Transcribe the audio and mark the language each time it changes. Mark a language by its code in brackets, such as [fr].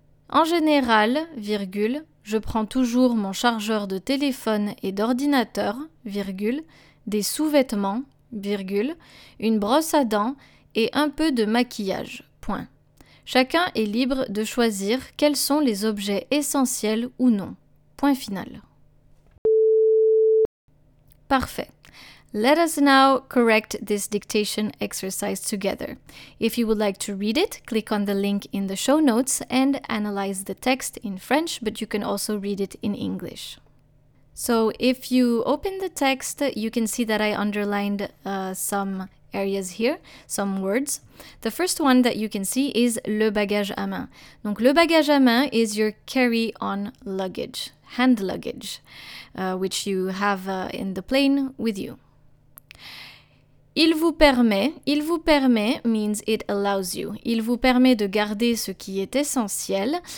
[fr] En général, virgule, je prends toujours mon chargeur de téléphone et d'ordinateur, virgule, des sous-vêtements, virgule, une brosse à dents et un peu de maquillage, point. Chacun est libre de choisir quels sont les objets essentiels ou non, point final. Parfait. [en] Let us now correct this dictation exercise together. If you would like to read it, click on the link in the show notes and analyze the text in French, but you can also read it in English. So if you open the text, you can see that I underlined some areas here, some words. The first one that you can see is le bagage à main. [fr] Donc le bagage à main [en] is your carry-on luggage, hand luggage, which you have in the plane with you. [fr] Il vous permet [en] means it allows you. [fr] Il vous permet de garder ce qui est essentiel.